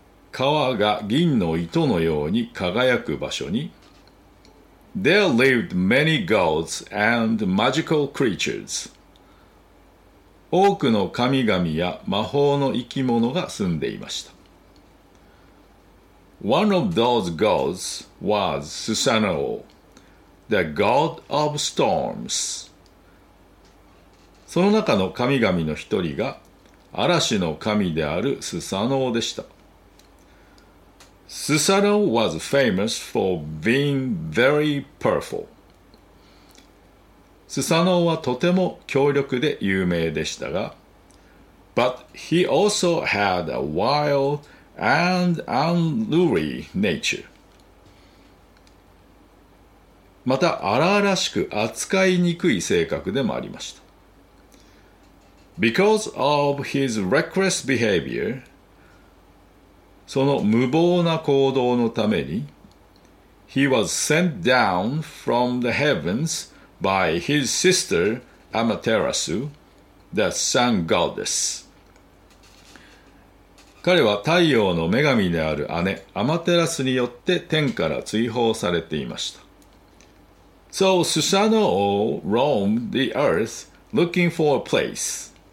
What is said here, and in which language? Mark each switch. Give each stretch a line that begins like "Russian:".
Japanese: 川が銀の糸のように輝く場所に、
English: There lived many gods and magical creatures.
Japanese: 多くの神々や魔法の生き物が住んでいました。
English: One of those gods was Susanoo, the god of storms.
Japanese: その中の神々の一人が嵐の神であるスサノオでした。
English: Susanoo was famous for being very powerful.
Japanese: スサノオはとても強力で有名でしたが、
English: But he also had a wild and unruly nature.
Japanese: また荒々しく扱いにくい性格でもありました。
English: Because of his reckless behavior,
Japanese: その無謀な行動のために、
English: He was sent down from the heavens. By his sister Amaterasu, the sun goddess.
Japanese: 彼は太陽の女神である姉アマテラスによって天から追放されていました。
English: So Susanoo roamed the earth looking for a place.